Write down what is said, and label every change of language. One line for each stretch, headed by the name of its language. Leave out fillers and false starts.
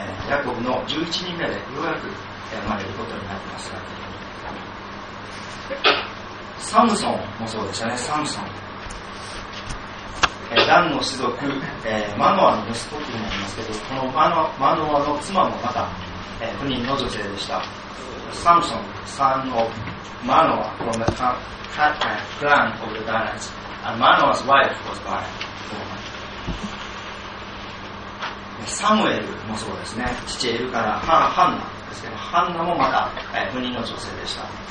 Japanese: ヤコブの11人目でようやく生まれることになりますが、サムソンもそうでしたね、サムソン。ダンの種族、マノアの息子というのがありますけど、このマノアの妻もまた、不妊の女性でした。
English: サムソン、サンオブ、マノア、from the clan of the Danites, and Manoah's wife was barren.
Japanese: サムエルもそうですね。父エルからハンナですけど、ハンナもまた不妊の女性でした。